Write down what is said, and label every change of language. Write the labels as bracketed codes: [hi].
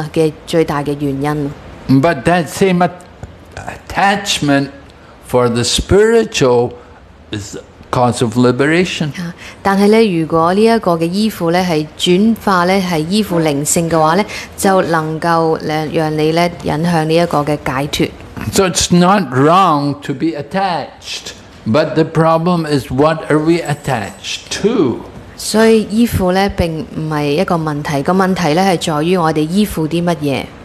[yue] 咁我兒子就同佢講啦，對於物質嘅依附咧，係呢一個嘅捆綁啊嘅最大嘅原因。 [en] But that same attachment for the spiritual is the cause of liberation. [yue] 但係咧，如果呢一個嘅依附咧係轉化咧係依附靈性嘅話咧，就能夠讓你咧引向呢一個嘅解脱。 [en] So it's not wrong to be attached. But the problem is, what are we attached to? [yue] 所以依附咧並唔係一個問題，個問題咧係在於我哋依附啲乜嘢。